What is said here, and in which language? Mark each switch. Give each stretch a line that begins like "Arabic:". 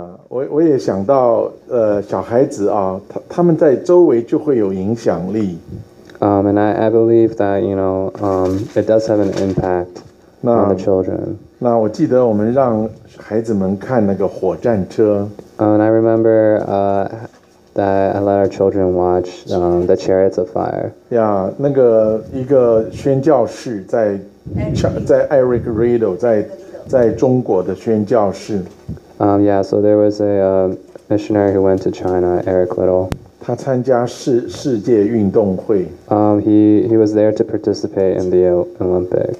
Chinese: 我也想到小孩子啊，他们在周围就会有影响力。
English: And I believe that, you know, it does have an impact on the children.
Chinese: 那我记得我们让孩子们看那个火战车。
English: And I remember that I let our children watch the Chariots of Fire.
Chinese: Yeah, 那个一个宣教士在 Eric Riddle 在中国的宣教士。
English: Yeah, so there was a missionary who went to China, Eric Riddle.
Chinese: 他参加世界运动会。
English: He was there to participate in the Olympics.